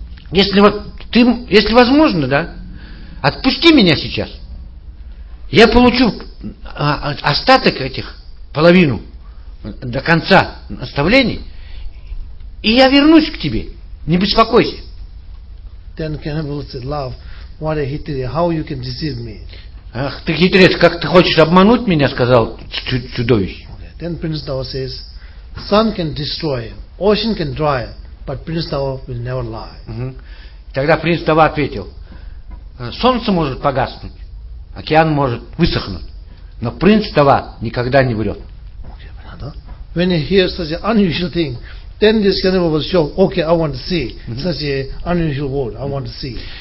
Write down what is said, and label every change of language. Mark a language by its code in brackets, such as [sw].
[ru] Если возможно, да, отпусти меня сейчас. Я получу остаток этих, половину, до конца наставлений, и я вернусь к тебе. Не беспокойся. [en] Then cannibal said, love, what a hitter, how you can deceive me? [ru] Ах, ты хитрец, как ты хочешь обмануть меня, сказал чудовище. [en] Okay. Then Prince Dawa says, sun can destroy him. Ocean can dry, but Prince Dawa will never lie. [ru] Тогда принц Дава ответил: солнце может погаснуть, океан может высохнуть, но принц Дава никогда не врет. [en] When he hears such an unusual thing, then this cannibal will show, okay, I want to see such an unusual word, I want to see.